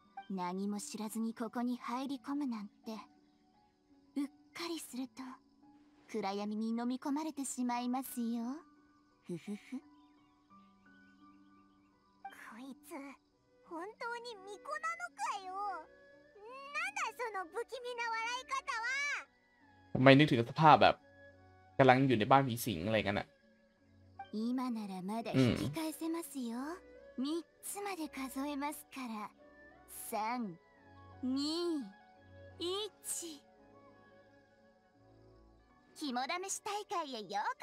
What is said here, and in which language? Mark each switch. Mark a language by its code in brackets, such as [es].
[ja] 何も知らずにここに入り込むなんてうっかりすると暗闇に飲み込まれてしまいますよふふふこいつ本当に巫女なのかよなんだその不気味な笑い方は [th] ทำไมนึกถึงสภาพแบบกำลังอยู่ในบ้านผีสิงอะไรกันอ่ะ [ja] 今ならまだ引き返せますよ3つまで数えますから3 2 1肝試し大会へようこ